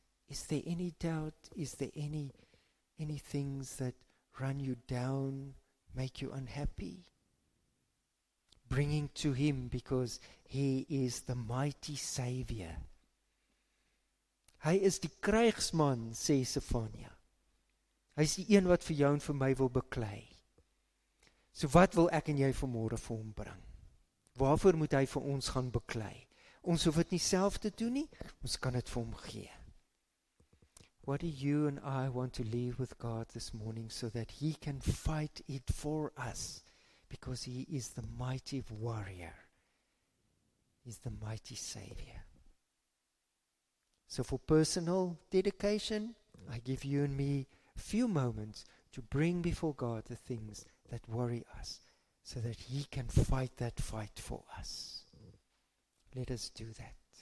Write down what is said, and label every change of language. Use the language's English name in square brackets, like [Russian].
[English] Is there any doubt? Is there any things that run you down, make you unhappy? Bringing to him because he is the mighty Savior." [Afrikaans] Hy is die krygsman, sê Sefania. Hy is die een wat vir jou en vir my wil beklei. So wat wil ek en jy vanmôre vir hom bring? Waarvoor moet hy vir ons gaan beklei? Ons hoef dit nie self te doen nie, ons kan dit vir hom gee. [English] What do you and I want to leave with God this morning so that he can fight it for us? Because he is the mighty warrior. He's the mighty Savior. So for personal dedication, I give you and me a few moments to bring before God the things that worry us, so that he can fight that fight for us. Let us do that.